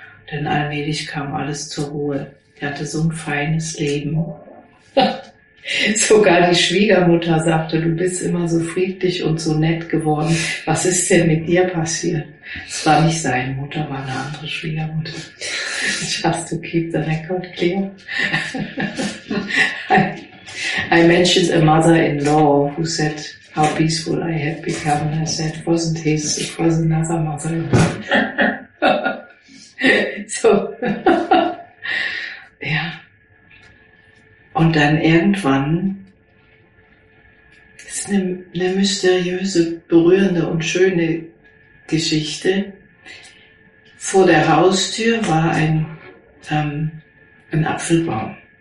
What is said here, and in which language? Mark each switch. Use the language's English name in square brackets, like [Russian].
[German] Denn allmählich kam alles zur Ruhe. Er hatte so ein feines Leben. Sogar die Schwiegermutter sagte, du bist immer so friedlich und so nett geworden. Was ist denn mit dir passiert? Es war nicht seine Mutter, war eine andere Schwiegermutter. [English] Just to keep the record clear. I mentioned a mother-in-law who said how peaceful I had become, and I said, wasn't his, it was another mother-in-law. So. [German] Ja. Und dann irgendwann ist eine mysteriöse, berührende und schöne Geschichte. Vor der Haustür war ein Apfelbaum.